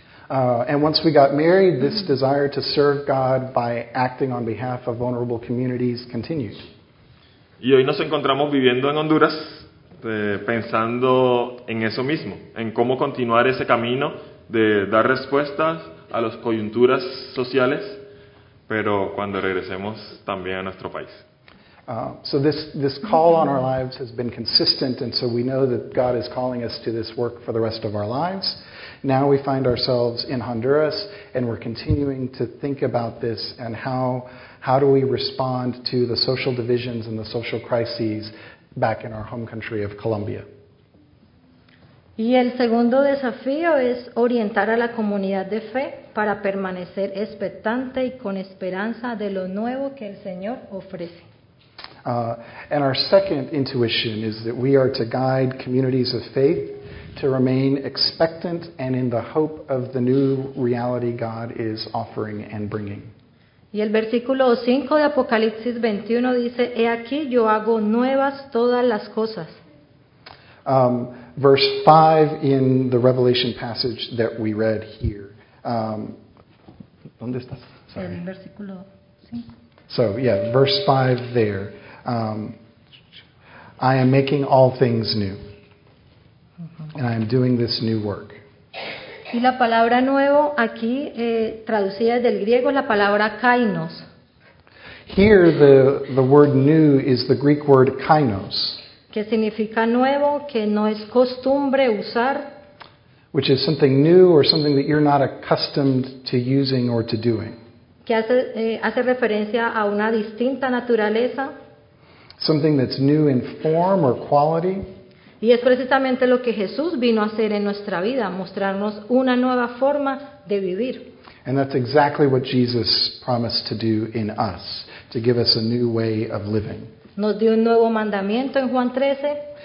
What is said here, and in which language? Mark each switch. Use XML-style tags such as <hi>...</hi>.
<en>And once we got married, this desire to serve God by acting on behalf of vulnerable communities continued.</en> <es>Y hoy nos encontramos viviendo en Honduras, pensando en eso mismo, en cómo continuar ese camino de dar respuestas a las coyunturas sociales, pero cuando regresemos también a nuestro país.</es> <en>So this call on our lives has been consistent, and so we know that God is calling us to this work for the rest of our lives. Now we find ourselves in Honduras, and we're continuing to think about this and how do we respond to the social divisions and the social crises back in our home country of Colombia.</en> <es>Y el segundo desafío es orientar a la comunidad de fe para permanecer expectante y con esperanza de lo nuevo que el Señor ofrece.</es> <en>And our second intuition is that we are to guide communities of faith to remain expectant and in the hope of the new reality God is offering and bringing.</en> <es>Y el versículo 5 de Apocalipsis 21 dice, He aquí yo hago nuevas todas las cosas.</es> <en>Verse 5 in the Revelation passage that we read here.</en> <es>¿Dónde estás?</es> <en>Sorry.</en> <es>El versículo 5.</es> <en>So, yeah, verse 5 there. I am making all things new. Uh-huh. And I am doing this new work.</en> <es>Y la palabra nuevo aquí, traducida del griego, la palabra kainos.</es> <en>Here the word new is the Greek word kainos.</en> <es>Que significa nuevo, que no es costumbre usar.</es> <en>Which is something new or something that you're not accustomed to using or to doing.</en> <es>Que hace referencia a una distinta naturaleza.</es> <en>Something that's new in form or quality.</en> <es>Y es precisamente lo que Jesús vino a hacer en nuestra vida, mostrarnos una nueva forma de vivir.</es> <en>And that's exactly what Jesus promised to do in us, to give us a new way of living.</en> <es>Nos dio un nuevo mandamiento en Juan 13.</es>